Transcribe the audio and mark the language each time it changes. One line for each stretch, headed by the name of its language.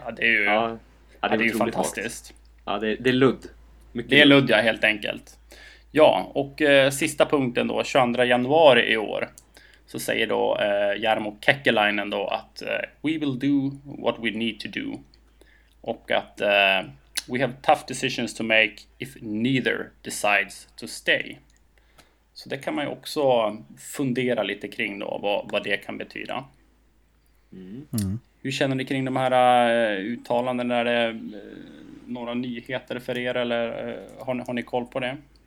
Swedish: Ja, det är ju, ja, det är ju fantastiskt. Vakt. Ja, det är ludd. Mycket. Det luddar jag helt enkelt. Ja, och sista punkten då, 22 januari i år, så säger då Jarmo Kekkelainen då att
English: we will do what we need to do.
Swedish: Och att
English: we have tough decisions to make if neither decides to stay.
Swedish: Så det kan man ju också fundera lite kring då, vad det kan betyda. Mm. Hur känner ni kring de här uttalandena där det... några nyheter för er, eller har ni koll på det?